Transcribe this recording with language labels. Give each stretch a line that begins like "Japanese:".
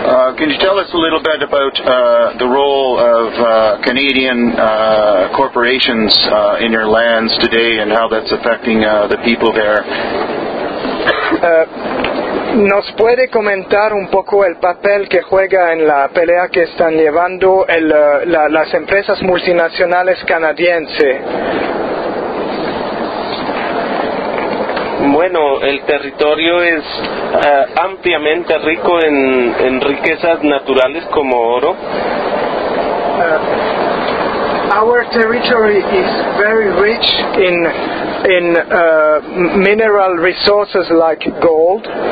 English: Can you tell us a little bit about the role of Canadian corporations in your lands today and how that's affecting the people there?
Spanish: ¿Nos puede comentar un poco el papel que juega en la pelea que están llevando las empresas multinacionales canadienses? Bueno, el territorio es ampliamente rico en riquezas naturales como oro.
English: Our territory is very rich in mineral resources like gold.